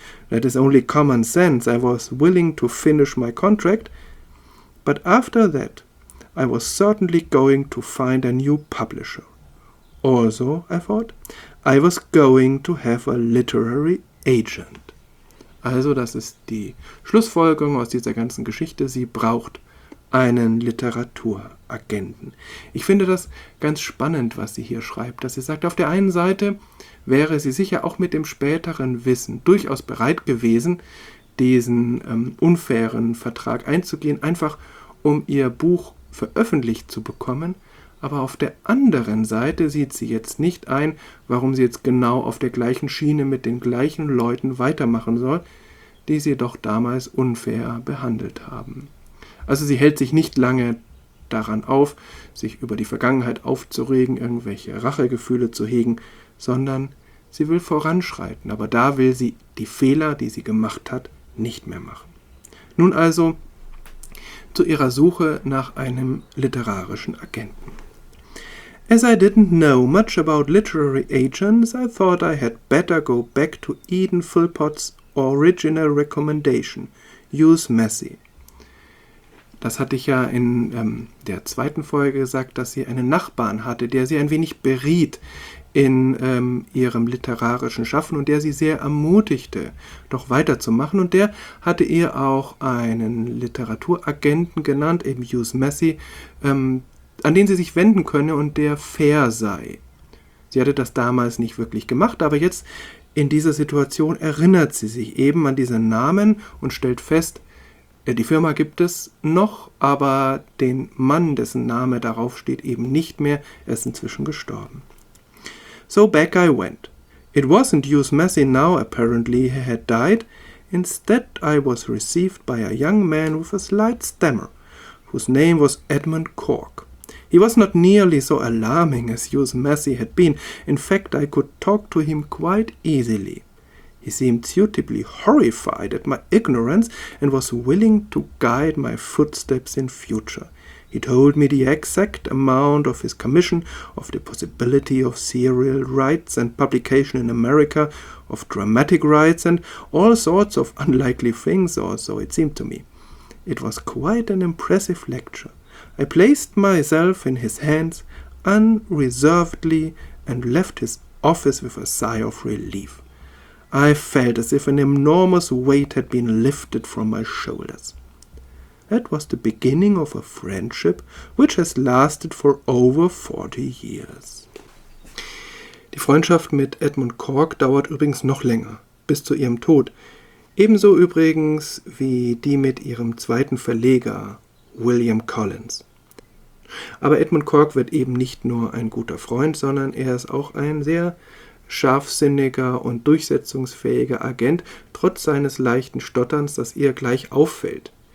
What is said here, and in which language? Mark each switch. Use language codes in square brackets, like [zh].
[en] That is only common sense. I was willing to finish my contract, but after that, I was certainly going to find a new publisher. Also, I thought, I was going to have a literary agent. [de] Also, das ist die Schlussfolgerung aus dieser ganzen Geschichte. Sie braucht einen Literaturagenten. Ich finde das ganz spannend, was sie hier schreibt, dass sie sagt, auf der einen Seite wäre sie sicher auch mit dem späteren Wissen durchaus bereit gewesen, diesen unfairen Vertrag einzugehen, einfach um ihr Buch veröffentlicht zu bekommen. Aber auf der anderen Seite sieht sie jetzt nicht ein, warum sie jetzt genau auf der gleichen Schiene mit den gleichen Leuten weitermachen soll, die sie doch damals unfair behandelt haben. Also sie hält sich nicht lange daran auf, sich über die Vergangenheit aufzuregen, irgendwelche Rachegefühle zu hegen, sondern sie will voranschreiten, aber da will sie die Fehler, die sie gemacht hat, nicht mehr machen. Nun also zu ihrer Suche nach einem literarischen Agenten. [en] As I didn't know much about literary agents, I thought I had better go back to Eden Philpott's original recommendation, use Messi. [de] Das hatte ich ja in der zweiten Folge gesagt, dass sie einen Nachbarn hatte, der sie ein wenig beriet in ihrem literarischen Schaffen und der sie sehr ermutigte, doch weiterzumachen. Und der hatte ihr auch einen Literaturagenten genannt, eben Hughes Massey, an den sie sich wenden könne und der fair sei. Sie hatte das damals nicht wirklich gemacht, aber jetzt in dieser Situation erinnert sie sich eben an diesen Namen und stellt fest, die Firma gibt es noch, aber den Mann, dessen Name darauf steht, eben nicht mehr. Er ist inzwischen gestorben. [en] So back I went. It wasn't Hughes Massey now, apparently he had died. Instead I was received by a young man with a slight stammer, whose name was Edmund Cork. He was not nearly so alarming as Hughes Massey had been. In fact, I could talk to him quite easily. He seemed suitably horrified at my ignorance and was willing to guide my footsteps in future. He told me the exact amount of his commission, of the possibility of serial rights and publication in America, of dramatic rights and all sorts of unlikely things, or so it seemed to me. It was quite an impressive lecture. I placed myself in his hands unreservedly and left his office with a sigh of relief. I felt as if an enormous weight had been lifted from my shoulders. That was the beginning of a friendship which has lasted for over 40 years. [de] Die Freundschaft mit Edmund Cork dauert übrigens noch länger, bis zu ihrem Tod. Ebenso übrigens wie die mit ihrem zweiten Verleger, William Collins. Aber Edmund Cork wird eben nicht nur ein guter Freund, sondern er ist auch ein sehr scharfsinniger und durchsetzungsfähiger Agent, trotz seines leichten Stotterns, das ihr gleich auffällt.